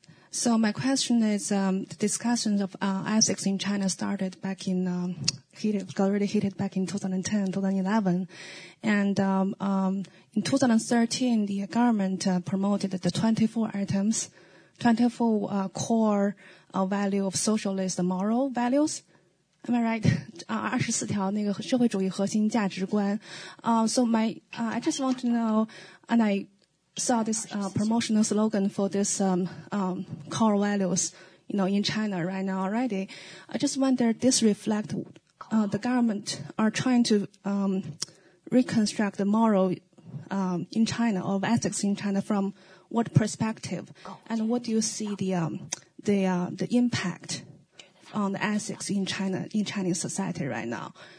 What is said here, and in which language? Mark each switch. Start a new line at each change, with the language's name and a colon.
English: So my question is, the discussion of ethics in China started back in, got really heated back in 2010, 2011. And in 2013, the government promoted the 24 core value of socialist moral values. Am I right?
Chinese: 24条那个社会主义核心价值观.
English: I just want to know, and I saw this promotional slogan for this core values, you know, in China right now already. I just wonder, this reflect the government are trying to reconstruct the moral in China, of ethics in China, from what perspective, and what do you see the impact on the ethics in China, in Chinese society right now?